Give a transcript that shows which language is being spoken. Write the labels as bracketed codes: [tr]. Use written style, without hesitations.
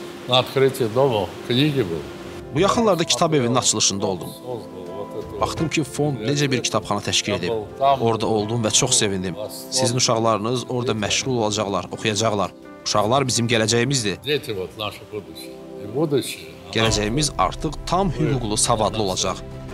[ru] На открытии дома книги был. [az] Bu yaxınlarda kitab evinin açılışında oldum. Baxdım ki, fond necə bir kitabxana təşkil edib. Orada oldum və çox sevindim. Sizin uşaqlarınız orada məşğul olacaqlar, oxuyacaqlar. Uşaqlar bizim gələcəyimizdir. Gələcəyimiz artıq tam hüquqlu, savadlı olacaq.